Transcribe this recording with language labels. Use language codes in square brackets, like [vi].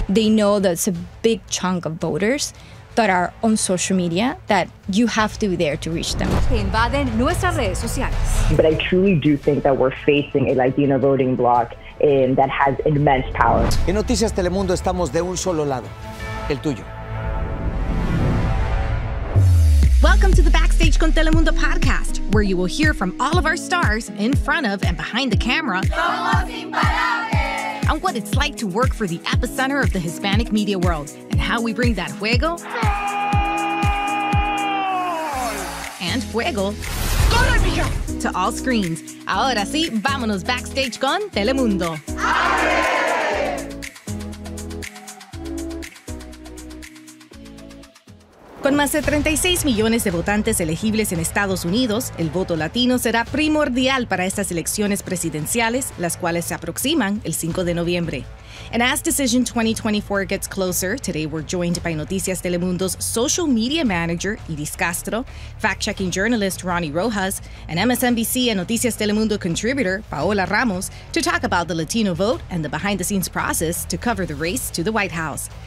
[en] They know that's a big chunk of voters that are on social media, that you have to be there to reach them. [es] Que invaden nuestras redes sociales. [en] But I truly do think that we're facing a Latino voting bloc that has immense power. [es] En Noticias Telemundo estamos de un solo lado, el tuyo. [en] Welcome to the Backstage con Telemundo podcast, where you will hear from all of our stars in front of and behind the camera. [es] Somos imparables. [en] On what it's like to work for the epicenter of the Hispanic media world and how we bring that juego. Goal! And fuego. Goal, amiga! To all screens. [es] Ahora sí, vámonos backstage con Telemundo. ¡Abre! Con más de 36 millones de votantes elegibles en Estados Unidos, el voto latino será primordial para estas elecciones presidenciales, las cuales se aproximan el 5 de noviembre. [en] And as Decision 2024 gets closer, today we're joined by Noticias Telemundo's social media manager, Iris Castro, fact-checking journalist Ronny Rojas, and MSNBC and Noticias Telemundo contributor Paola Ramos to talk about the Latino vote and the behind-the-scenes process to cover the race to the White House.